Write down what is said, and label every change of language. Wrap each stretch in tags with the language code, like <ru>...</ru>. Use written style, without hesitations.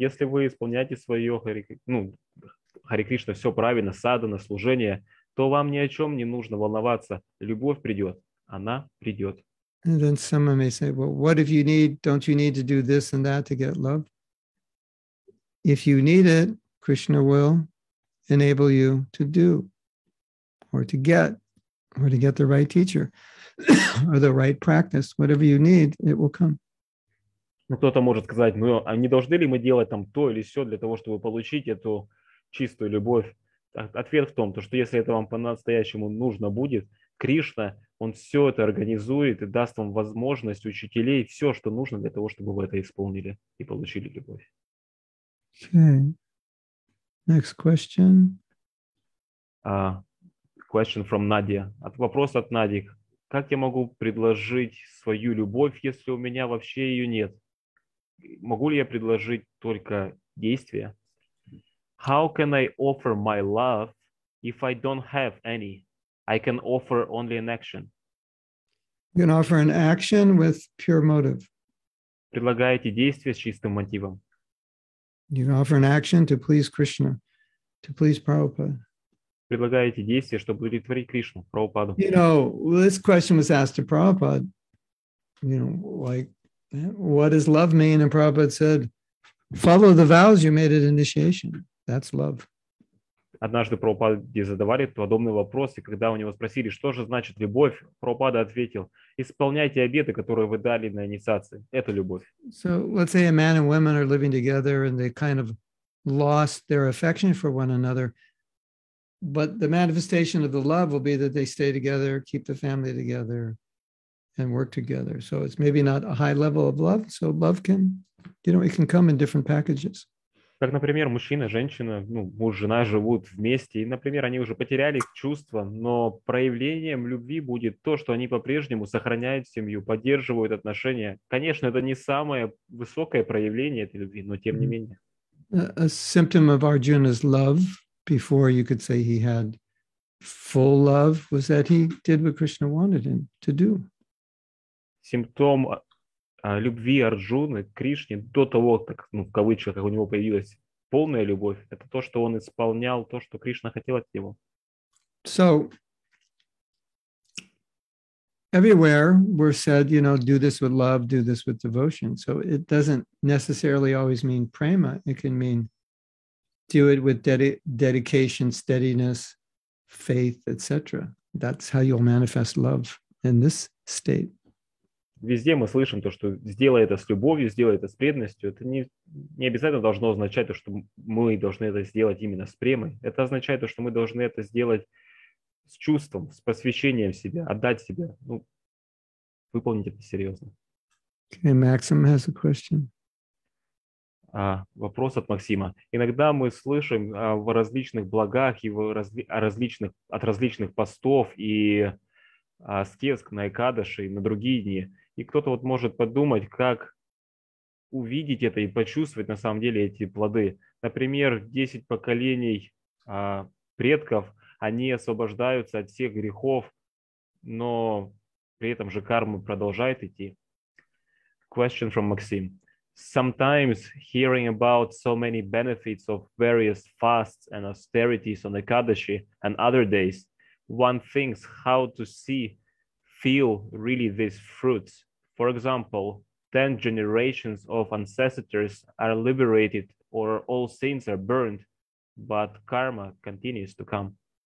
<ru>Если вы исполняете свое Хари Кришна, все правильно, садхана, служение, то вам ни о чем не нужно волноваться. Любовь придет. Она придет.</ru> <en>And then someone may say, well, what if you need, don't you need to do this and that to get love? If you need it, Krishna will enable you to do or to get. Or to get the right teacher, or the right practice, whatever you need, it will come.</en> <ru>Ну, кто-то может сказать, ну, а не должны ли мы делать там то или сё для того, чтобы получить эту чистую любовь? Ответ в том, то, что если это вам по-настоящему нужно будет, Кришна, он всё это организует и даст вам возможность, учителей, всё, что нужно для того, чтобы вы это исполнили и получили любовь.</ru> <en>Okay. Next question. Question from Nadia.</en> <ru>Вопрос от Нади. Как я могу предложить свою любовь, если у меня вообще ее нет? Могу ли я предложить только действия?</ru> <en>How can I offer my love if I don't have any? I can offer only an action. You can offer an action with pure motive.</en> <ru>Предлагаете действие с чистым мотивом.</ru> <en>You can offer an action to please Krishna, to please Prabhupada.</en> <ru>Предлагаете действие, чтобы удовлетворить Кришну, Прабхупаду.</ru> <en>You know, this question was asked to Prabhupada. You know, like, what does love mean? And Prabhupada said, follow the vows you made at initiation. That's love.</en> <ru>Однажды Прабхупаде задавали подобный вопрос, и когда у него спросили, что же значит любовь, Прабхупада ответил, исполняйте обеты, которые вы дали на инициации. Это любовь.</ru> <en>So, let's say a man and woman are living together and they kind of lost their affection for one another. But the manifestation of the love will be that they stay together, keep the family together, and work together. So it's maybe not a high level of love. So love can, you know, it can come in different packages.</en> <ru>Как, например, мужчина, женщина, ну, муж, жена живут вместе, и, например, они уже потеряли чувства, но проявлением любви будет то, что они по-прежнему сохраняют семью, поддерживают отношения. Конечно, это не самое высокое проявление этой любви, но тем не менее.</ru> <en>A symptom of Arjuna's love. Before you could say he had full love, was that he did what Krishna wanted him to do.</en> <ru>Симптом любви Арджуны к Кришне до того, как, ну, в кавычках, как у него появилась полная любовь, это то, что он исполнял то, что Кришна хотел от него.</ru> <en>So, everywhere we're said, you know, do this with love, do this with devotion. So it doesn't necessarily always mean prema, it can mean do it with dedication, steadiness, faith, etc. That's how you'll manifest love in this state.</en> <ru>Везде мы слышим то, что сделай это с любовью, сделай это с преданностью. Это не обязательно должно означать то, что мы должны это сделать именно с премой. Это означает то, что мы должны это сделать с чувством, с посвящением себя, отдать себя. Ну, выполнить это серьезно.</ru> <en>Okay, Maxim has a question.</en> <ru>Вопрос от Максима. Иногда мы слышим в различных благах и от различных постов и аскез на Экадаши, на другие дни. И кто-то вот может подумать, как увидеть это и почувствовать на самом деле эти плоды. Например, 10 поколений предков, они освобождаются от всех грехов, но при этом же карма продолжает идти.</ru> <en>Question from Максим. Sometimes hearing about so many benefits of various fasts and austerities on Ekadashi and other days, one thinks how to see, feel really these fruits. For example, 10 generations of ancestors are liberated or all sins are burned, but karma continues to come.</en>